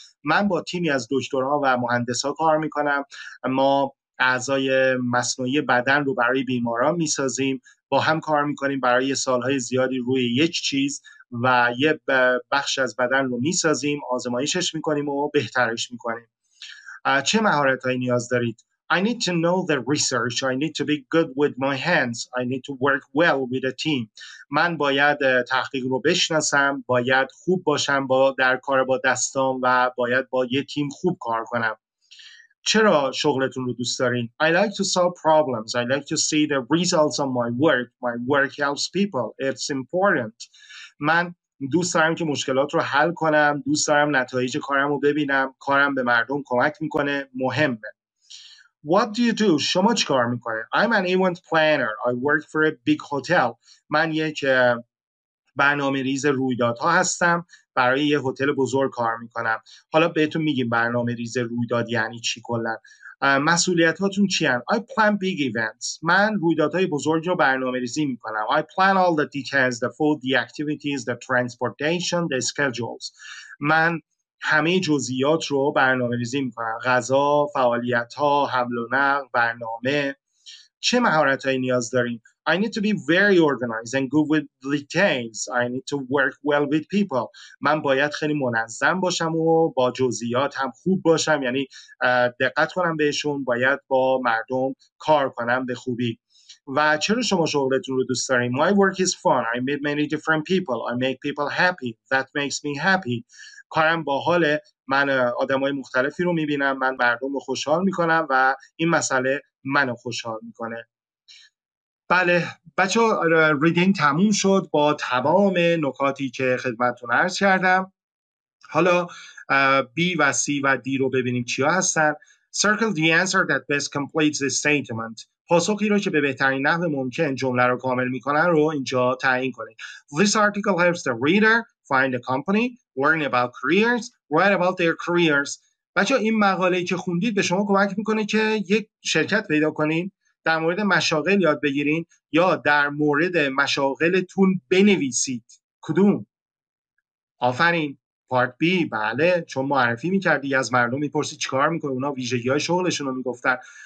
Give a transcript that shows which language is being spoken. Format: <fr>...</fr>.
<fa>من با تیمی از دکترها و مهندسها کار میکنم. ما اعضای مصنوعی بدن رو برای بیماران میسازیم. با هم کار میکنیم برای سالهای زیادی روی یک چیز و یه بخش از بدن رو میسازیم، آزمایشش میکنیم و بهترش میکنیم. چه مهارتهایی نیاز دارید؟</fa> <en>I need to know the research. I need to be good with my hands. I need to work well with a team.</en> <fa>من باید تحقیق رو بشناسم، باید خوب باشم با در کار با دستام و باید با یه تیم خوب کار کنم. چرا شغلتون رو دوست دارین؟</fa> <en>I like to solve problems. I like to see the results of my work. My work helps people. It's important.</en> <fa>من دوست دارم که مشکلات رو حل کنم، دوست دارم نتایج کارم رو ببینم، کارم به مردم کمک میکنه، مهمه.</fa> <en>What do you do?</en> <fa>شما چی کار میکنه؟</fa> <en>I'm an event planner. I work for a big hotel.</en> <fa>من یک برنامه ریز رویدادها هستم، برای یه هتل بزرگ کار میکنم. حالا بهتون میگیم برنامه ریز رویداد یعنی چی کلن. مسئولیت هاتون چی هم؟</fa> <en>I plan big events.</en> <fa>من رویدادهای بزرگ رو برنامه ریزی میکنم.</fa> <en>I plan all the details, the food, the activities, the transportation, the schedules.</en> <fa>من همه جزئیات رو برنامه ریزی میکنم. غذا، فعالیت ها، حمل و نقل، برنامه. چه مهارت هایی نیاز داریم؟</fa> <en>I need to be very organized and good with details. I need to work well with people.</en> <fa>من باید خیلی منظم باشم و با جزئیات هم خوب باشم، یعنی دقت کنم بهشون، باید با مردم کار کنم به خوبی. و چرا شما شغلتون رو دوست دارین؟</fa> <en>My work is fun. I meet many different people. I make people happy. That makes me happy.</en> <fa>کارم باحاله. من آدمای مختلفی رو میبینم. من مردم رو خوشحال میکنم و این مسئله منو خوشحال میکنه. بله بچه ها، ریدینگ تموم شد با تمام نکاتی که خدمتتون عرض کردم. حالا بی و سی و دی رو ببینیم چیا هستن.</fa> <en>Circle the answer that best completes the statement.</en> <fa>پاسخی رو که به بهترین نحو ممکن جمله رو کامل میکنن رو اینجا تعیین کنید.</fa> <en>This article helps the reader find a company, learn about careers, write about their careers.</en> <fa>بچه ها، این مقاله که خوندید به شما کمک میکنه که یک شرکت پیدا کنین، در مورد مشاغل یاد بگیرین یا در مورد مشاغلتون بنویسید. کدوم؟ آفرین، پارت بی. بله، چون معرفی میکردی از مردم میپرسی چیکار میکنه، اونا ویژگی های شغلشون رو میگفتن.</fa>